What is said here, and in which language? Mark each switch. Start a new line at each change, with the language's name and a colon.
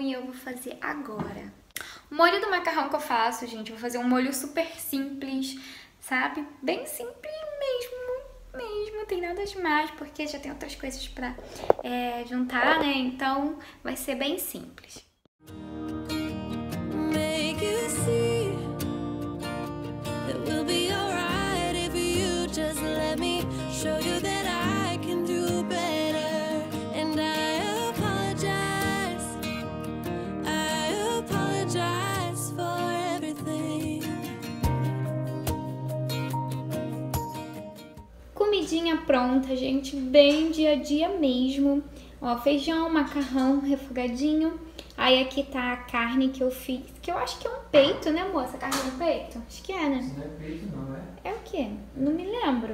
Portuguese: E eu vou fazer agora. O molho do macarrão que eu faço, gente, eu vou fazer um molho super simples, sabe? Bem simples mesmo. Mesmo, tem nada demais, porque já tem outras coisas pra juntar, né? Então vai ser bem simples.
English: Make you see that we'll be alright if you just let me show you that I can do better. And I apologize for everything.
Portuguese: Comidinha pronta, gente, bem dia a dia mesmo. Ó, feijão, macarrão, refogadinho. Aí aqui tá a carne que eu fiz, que eu acho que é um peito, né, moça? Carne de peito? Acho que é, né? Isso não é peito, não, é? É o quê? Não me lembro.